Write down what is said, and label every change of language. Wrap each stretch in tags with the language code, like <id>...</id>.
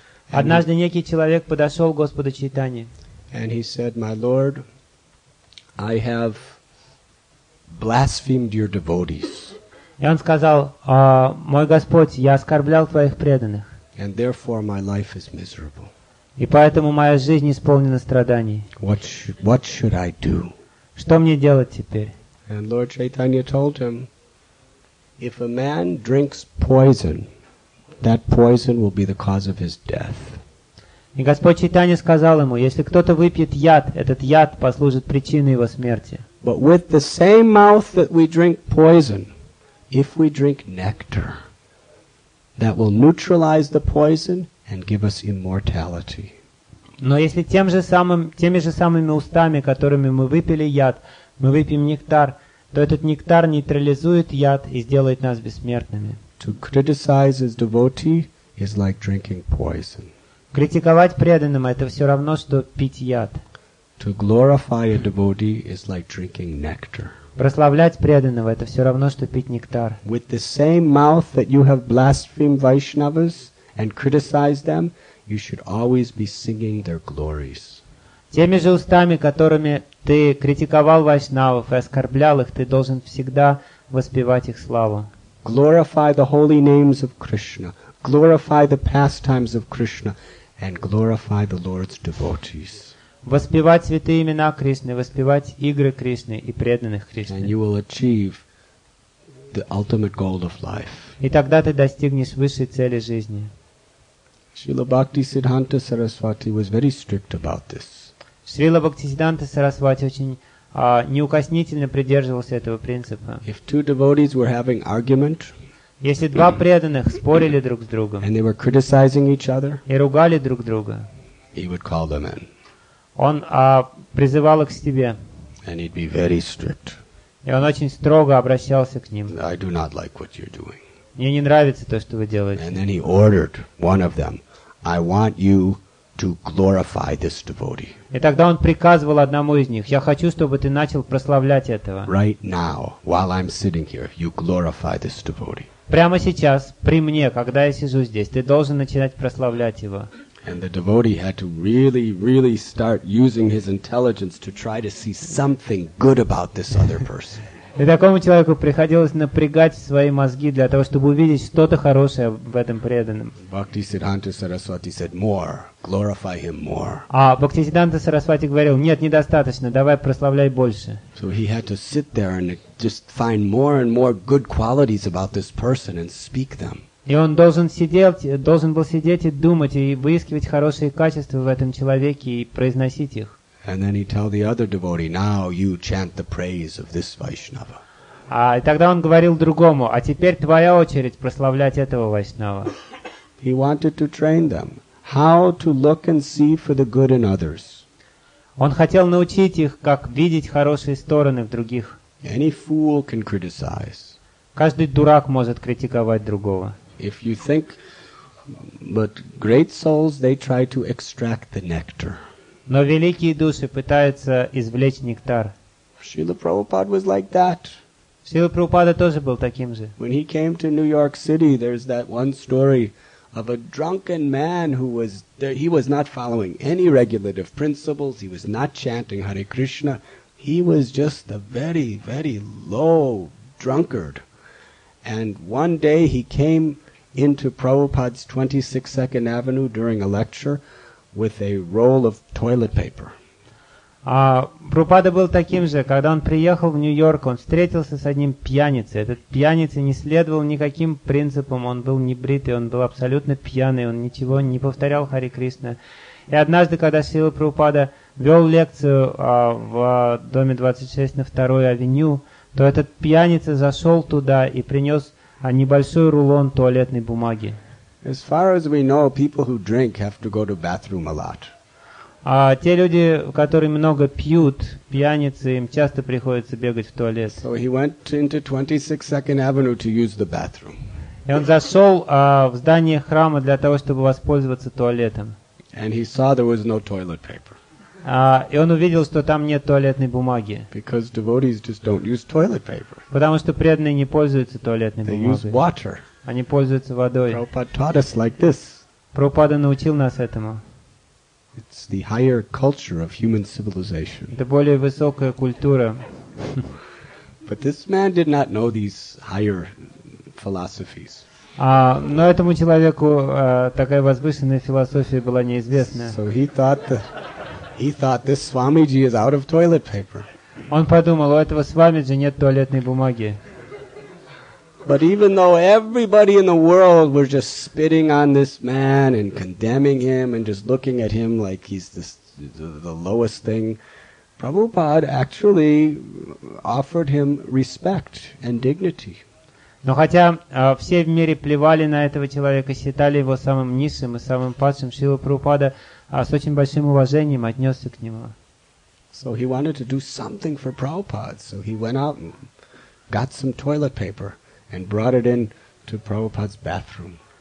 <ru>Однажды некий человек подошел к Господу Чайтанье.</ru> <en>And he said, "My Lord, I have blasphemed your devotees."</en> <ru>И он сказал, "Мой Господь, я оскорблял твоих преданных."</ru> <en>And therefore my life is miserable.</en> <ru>И поэтому моя жизнь исполнена страданий.</ru> <en>What should I do?</en> <ru>Что мне делать теперь?</ru> <en>And Lord Chaitanya told him, if a man drinks poison, that poison will be the cause of his death.</en> <ru>И Господь Чайтанья сказал ему, если кто-то выпьет яд, этот яд послужит причиной его смерти.</ru> <en>But with the same mouth that we drink poison, if we drink nectar, that will neutralize the poison and give us immortality.</en> <ru>Но если теми же самыми устами, которыми мы выпили яд, мы выпьем нектар, то этот нектар нейтрализует яд и сделает нас бессмертными.</ru> <en>To criticize his devotee is like drinking poison.</en> <ru>Критиковать преданного — это все равно, что пить яд.</ru> <en>To glorify a devotee is like drinking nectar.</en> <ru>Прославлять преданного — это все равно, что пить нектар.</ru> <en>With the same mouth that you have blasphemed Vaishnavas and criticized them, you should always be singing their glories.</en> <ru>Теми же устами, которыми ты критиковал вайшнавов и оскорблял их, ты должен всегда воспевать их славу.</ru> <en>Glorify the holy names of Krishna. Glorify the pastimes of Krishna and glorify the Lord's devotees.</en> <ru>Воспевать святые имена Кришны, воспевать игры Кришны и преданных Кришны.</ru> <en>And you will achieve the ultimate goal of life.</en> <ru>И тогда ты достигнешь высшей цели жизни.</ru> <en>Srila Bhaktisiddhanta Saraswati was very strict about this.</en> <ru>Srila Bhaktisiddhanta Saraswati очень неукоснительно придерживался этого принципа.</ru> <en>If two devotees were having argument,</en> <ru>если два преданных спорили друг с другом</ru> <en>and they were criticizing each other,</en> <ru>и ругали друг друга,</ru> <en>he would call them in.</en> <ru>Он призывал их к себе.</ru> <en>And he'd be very strict.</en> <ru>И он очень строго обращался к ним.</ru> <en>I do not like what you're doing.</en> <ru>Мне не нравится то, что вы делаете.</ru> <en>And then he ordered one of them, I want you to glorify this devotee.</en> <ru>И тогда он приказывал одному из них, я хочу, чтобы ты начал прославлять этого.</ru> <en>Right now, while I'm sitting here, you glorify this devotee.</en> <ru>Прямо сейчас, при мне, когда я сижу здесь, ты должен начинать прославлять его.</ru> <en>And the devotee had to really, really start using his intelligence to try to see something good about this other person.</en> <ru>И такому человеку приходилось напрягать свои мозги для того, чтобы увидеть что-то хорошее в этом преданном.</ru> <en>Bhaktisiddhanta Saraswati said, more, glorify him more.</en> <ru>А Бхактисиддханта Сарасвати говорил, нет, недостаточно, давай прославляй больше.</ru> <en>So he had to sit there and just find more and more good qualities about this person and speak them.</en> <ru>И он должен был сидеть и думать, и выискивать хорошие качества в этом человеке и произносить их.</ru> <en>And then he tell the other devotee, now you chant the praise of this Vaishnava.</en> <ru>А тогда он говорил другому, а теперь твоя очередь прославлять этого Вайшнава.</ru> <en>He wanted to train them how to look and see for the good in others.</en> <ru>Он хотел научить их, как видеть хорошие стороны в других.</ru> <en>Any fool can criticize.</en> <ru>Каждый дурак может критиковать другого.</ru> <en>If you think, but great souls, they try to extract the nectar.</en> <ru>Но великие души пытаются извлечь нектар.</ru> <en>Srila Prabhupada was like that.</en> <ru>Srila Prabhupada тоже был таким же.</ru> <en>When he came to New York City, there's that one story of a drunken man who was there, he was not following any regulative principles, he was not chanting Hare Krishna. He was just a very, very low drunkard. And one day he came into Prabhupada's 26 Second Avenue during a lecture with a roll of toilet paper.</en> <ru>Прабхупада был таким же, когда он приехал в Нью-Йорк, он встретился с одним пьяницей. Этот пьяница не следовал никаким принципам, он был небритый, он был абсолютно пьяный, он ничего не повторял Хари Кришна. И однажды, когда Шрила Прабхупада вел лекцию в доме 26 на 2-й авеню, то этот пьяница зашел туда и принес небольшой рулон туалетной бумаги.</ru> <en>As far as we know, people who drink have to go to bathroom a lot.</en> <ru>Те люди, которые много пьют, пьяницы, им часто приходится бегать в туалет.</ru> <en>So he went into 26 Second Avenue to use the bathroom.</en> <ru>И он зашел в здание храма для того, чтобы воспользоваться туалетом.</ru> <en>And he saw there was no toilet paper.</en> <ru>И он увидел, что там нет туалетной бумаги.</ru> <en>Because devotees just don't use toilet paper.</en> <ru>Потому что преданные не пользуются туалетной</ru> <en>They</en> <ru>бумагой.</ru> <en>They use water.</en> <ru>Они пользуются водой.</ru> <en>Prabhupada taught us like this.</en> <ru>Прабхупада научил нас этому.</ru> <en>It's the higher culture of human civilization.</en> <ru>Это более высокая культура.</ru> <en>But this man did not know these higher philosophies.</en> <ru>Но этому человеку такая возвышенная философия была неизвестна.</ru> <en>So he thought this Swamiji is out of toilet paper.</en> <ru>Он подумал, у этого Свамиджи нет туалетной бумаги.</ru> <en>But even though everybody in the world were just spitting on this man and condemning him and just looking at him like he's this, the lowest thing, Prabhupada actually offered him respect and dignity.</en> <ru>Но хотя все в мире плевали на этого человека, считали его самым низшим и самым падшим, Шрила Прабхупада с очень большим уважением отнесся к нему.</ru> <en>So he wanted to do something for Prabhupada, so he went out and got some toilet paper and brought it in to Prabhupada's bathroom.</en>